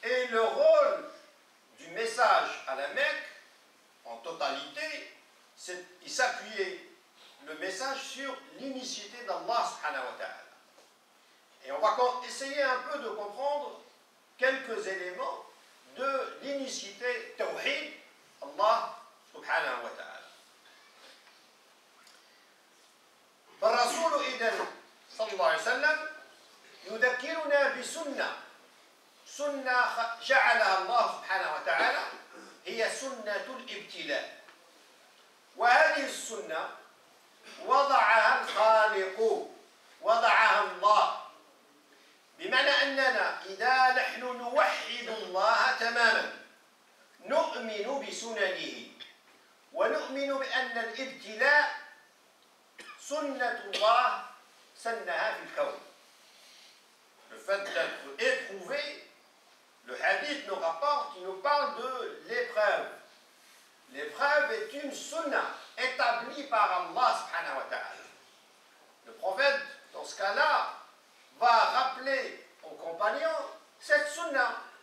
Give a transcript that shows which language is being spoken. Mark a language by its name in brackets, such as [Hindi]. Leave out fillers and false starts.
[French] le rôle du message à la Mecque, en totalité, c'est il s'appuyait le message sur l'unicité d'Allah subhanahu wa ta'ala. Et on va essayer un peu de comprendre quelques éléments de l'unicité tawhid Allah subhanahu wa ta'ala. Par Rasul Idan [Arabic] sallallahu alayhi wa sallam, يذكرنا بسنة سنة جعلها الله سبحانه وتعالى هي سنة الابتلاء وهذه السنة وضعها الخالق وضعها الله بمعنى أننا إذا نحن نوحد الله تماما نؤمن بسننه ونؤمن بأن الابتلاء سنة الله سنها في الكون. [French] Le fait d'être éprouvé, le hadith nous rapporte, il nous parle de l'épreuve. L'épreuve est une sunna établie par Allah subhanahu wa ta'ala. Le prophète, dans ce cas-là, va rappeler aux compagnons cette sunna.